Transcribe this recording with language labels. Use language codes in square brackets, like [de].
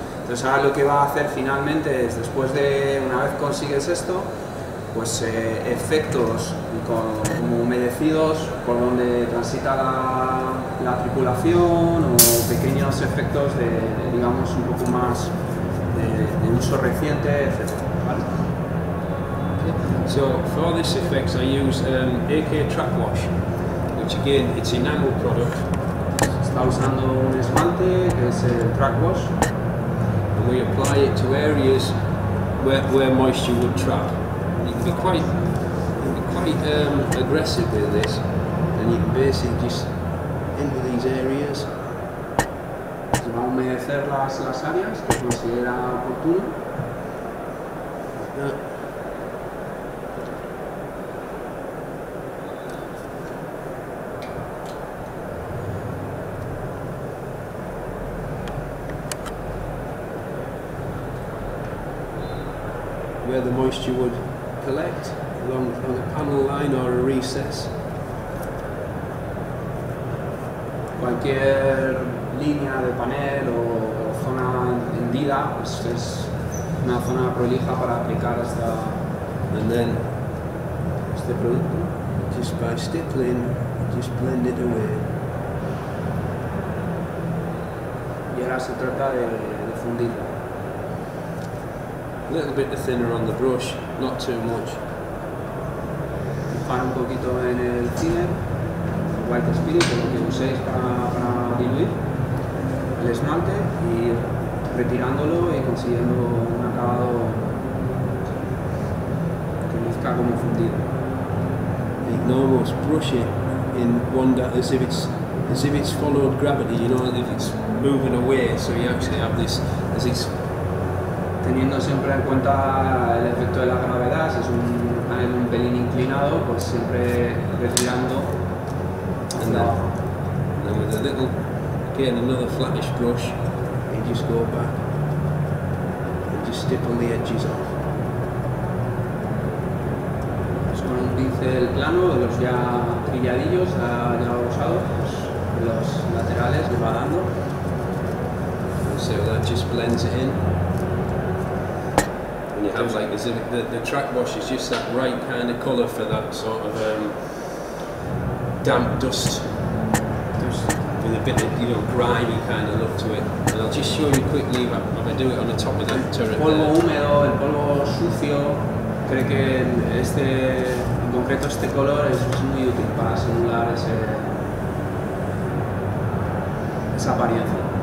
[es] Entonces ahora lo que va a hacer finalmente es, después de una vez consigues esto, pues efectos como humedecidos por donde transita la tripulación, o pequeños efectos de digamos un poco más de uso reciente, etc. ¿Vale? [en] So for these effects I use AK track wash, which again it's enamel product. [es] Está usando un esmalte que es el track wash. [en] We apply it to areas where moisture would trap. You can be quite aggressive with this, and you can basically just into these areas. [es] Se va a humedecer las áreas que considera oportuno. [en] Where the moisture would collect along the panel line or a recess. [es] Cualquier línea de panel o zona hendida es una zona prolija para aplicar esta. [en] And then [es] este producto, [en] just by stippling, just blend it away. [es] Y ahora se trata de fundirlo. [en] A little bit thinner on the brush, not too much. [es] Un poquito en el thinner, white spirit, lo que uséis para diluir el esmalte, y retirándolo y consiguiendo un acabado que luzca como fundido. [en] No, almost brush it in one as if it's followed gravity, you know, as if it's moving away, so you actually have this as it's. [es] Teniendo siempre en cuenta el efecto de la gravedad, si es un pelín inclinado, pues siempre retirando. [en] And then with a little, again another flattish brush, you just go back and just stipple the edges off. [es] Pues con un pincel plano, de los ya trilladillos, ya usados, pues los laterales le va dando. [en] So that just blends it in. You have like as if the track wash is just that right kind of colour for that sort of damp dust with a bit of, you know, grimy kind of look to it. And I'll just show you quickly if I do it on the top of that turret. [es] Polvo húmedo, el polvo sucio, creo que este, en concreto este color es muy útil para simular esa apariencia.